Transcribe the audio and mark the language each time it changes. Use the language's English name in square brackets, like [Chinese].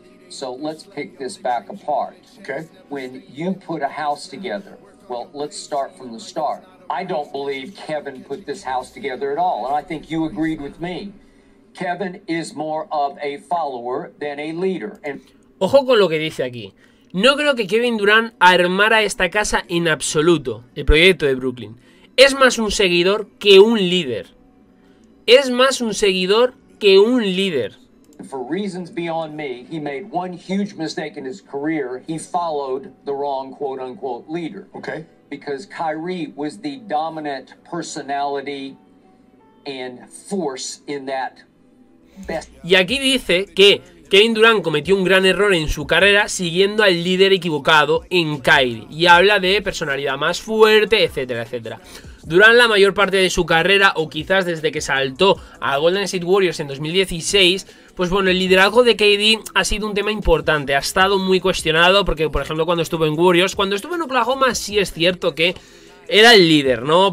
[English] So let's pick this back apart. Okay. When you put a house together, well, let's start from the start. I don't believe Kevin put this house together at all. And I think you agreed with me. Kevin is more of a follower than a leader. And [Spanish] ojo con lo que dice aquí. No creo que Kevin Durant armara esta casa en absoluto, el proyecto de Brooklyn. Es más un seguidor que un líder. Es más un seguidor que un líder. [English] For reasons beyond me, he made one huge mistake in his career. He followed the wrong quote-unquote leader. Okay. Because Kyrie was the dominant personality and force in that best. [Spanish] Y aquí dice que Kevin Durant cometió un gran error en su carrera siguiendo al líder equivocado en Kyrie. Y habla de personalidad más fuerte, etcétera, etcétera. Durant la mayor parte de su carrera, o quizás desde que saltó a Golden State Warriors en 2016, pues bueno, el liderazgo de KD ha sido un tema importante. Ha estado muy cuestionado porque, por ejemplo, cuando estuvo en Warriors, cuando estuvo en Oklahoma, sí es cierto que era el líder, ¿no?